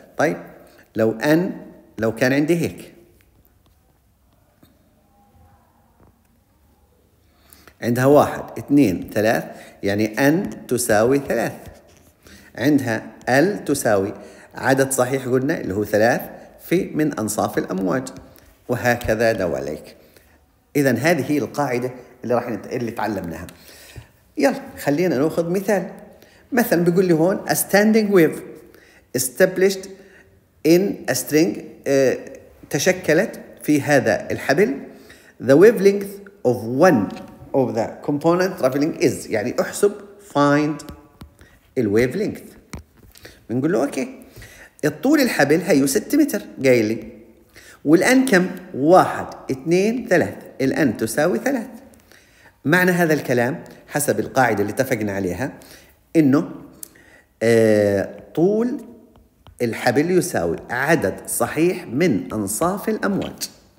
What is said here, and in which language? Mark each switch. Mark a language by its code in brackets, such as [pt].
[ar] طيب لو N لو كان عندي هيك، عندها واحد اثنين ثلاث، يعني N تساوي ثلاث، عندها L تساوي عدد صحيح قلنا اللي هو ثلاث في من أنصاف الأمواج، وهكذا دواليك. إذن هذه هي القاعدة اللي تعلمناها. يلا خلينا نأخذ مثال. مثلا بيقول لي هون [en] a standing wave established in a string، [ar] تشكلت في هذا الحبل، [en] the wavelength of one of the component traveling is، [ar] يعني احسب [en] find the wavelength. [ar] بنقول له اوكي الطول الحبل هيو 6 متر قايل لي، والان كم؟ 1 2 3، الان تساوي 3. معنى هذا الكلام حسب القاعده اللي اتفقنا عليها انه طول الحبل يساوي عدد صحيح من انصاف الامواج.